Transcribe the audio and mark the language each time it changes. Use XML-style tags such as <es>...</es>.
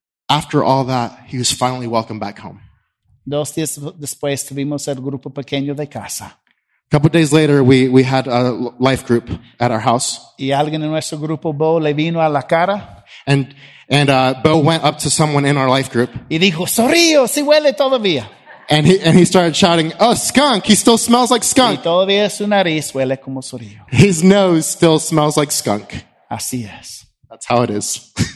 <en>After all that, he was finally welcome back home.</en> <es>2 días después tuvimos el grupo pequeño de casa.</es> <en>A couple days later, we had a life group at our house.</en> <es>Y alguien en nuestro grupo, Bo, le vino a la cara.</es> <en>And Bo went up to someone in our life group.</en> <es>Y dijo, zorrillo, si huele todavía.</es> <en>And he started shouting, oh, skunk, he still smells like skunk.</en> <es>Y todavía su nariz huele como zorrillo.</es> <en>His nose still smells like skunk.</en> <es>Así es.</es> <en>That's how it is.</en>